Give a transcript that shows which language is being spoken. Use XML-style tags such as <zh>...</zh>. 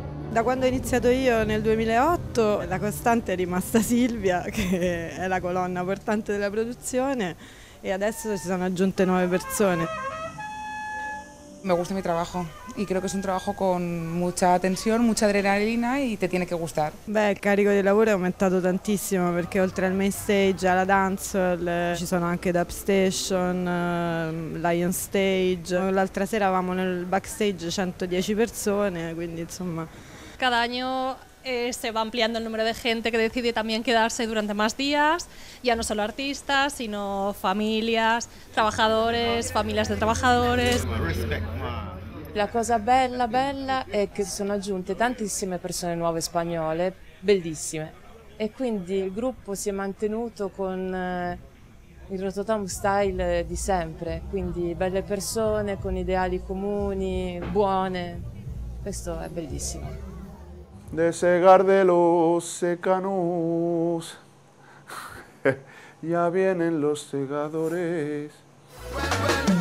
<it>Da quando ho iniziato io nel 2008, la costante è rimasta Silvia, che è la colonna portante della produzione, e adesso si sono aggiunte 9 persone.</it> <es>Me gusta mi trabajo y creo que es un trabajo con mucha tensión, mucha adrenalina y te tiene que gustar.</es> <it>Beh, il carico di lavoro è aumentato tantissimo perché oltre al main stage, alla dancehall, ci sono anche dub station, lion stage. L'altra sera avevamo nel backstage 110 persone, quindi insomma.</it> <es>Cada año se va ampliando el número de gente que decide también quedarse durante más días, ya no solo artistas, sino familias, trabajadores, familias de trabajadores.</es> <it>La cosa bella, bella è che si sono aggiunte tantissime persone nuove spagnole, bellissime, e quindi il gruppo si è mantenuto con il Rototom style di sempre, quindi belle persone con ideali comuni, buone, questo è bellissimo.</it> <es>De segar de los secanos, ya vienen los segadores.</es>